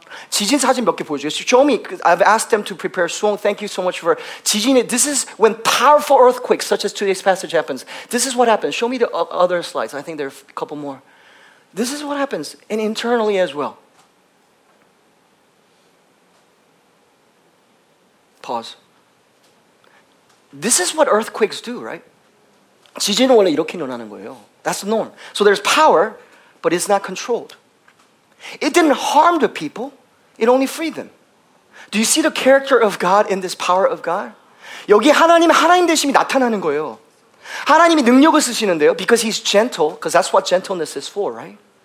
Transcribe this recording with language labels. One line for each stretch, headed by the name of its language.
Korean: 지진 사진 몇 개 보여주세요.
English: Show me. I've asked them to prepare song. Thank you so much for 지진. This is when powerful earthquakes such as today's passage happens. This is what happens. Show me the other slides. I think there are a couple more. This is what happens. And internally as well. Pause. This is what earthquakes do, right?
Korean: 지진은 원래 이렇게 일어나는 거예요.
English: That's the norm. So there's power, but it's not controlled. It didn't harm the people. It only freed them. Do you see the character of God in this power of God?
Korean: 여기 하나님의 하나님 되심이 나타나는 거예요. 하나님이 능력을 쓰시는데요.
English: Because he's gentle, because that's what gentleness is for, right?